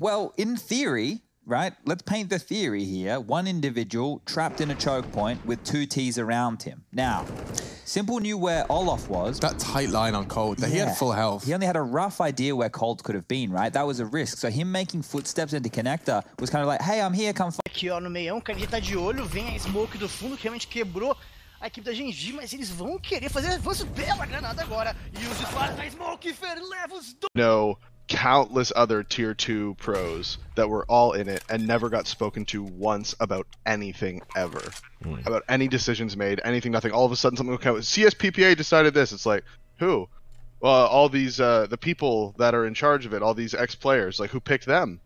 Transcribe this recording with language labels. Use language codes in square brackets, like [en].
[en] Well, in theory, right, let's paint the theory here. One individual trapped in a choke point with two T's around him. Now, Simple knew where Olof was. That tight line on Cold, that he had full health. He only had a rough idea where Cold could have been, right? That was a risk. So him making footsteps into connector was kind of like, hey, I'm here, come f***. [pt] Aqui, ó, no meião, o cara já tá de olho, vem a smoke do fundo, que realmente quebrou a equipe da Genji, mas eles vão querer fazer avanço pela granada agora. E os disparos da smoke, Fer, leva os dois. [en] No. Countless other tier 2 pros that were all in it and never got spoken to once about anything ever. Mm. About any decisions made, anything, nothing. All of a sudden something came out. CSPPA decided this. It's like, who? Well, all these, the people that are in charge of it, all these ex-players, like, who picked them?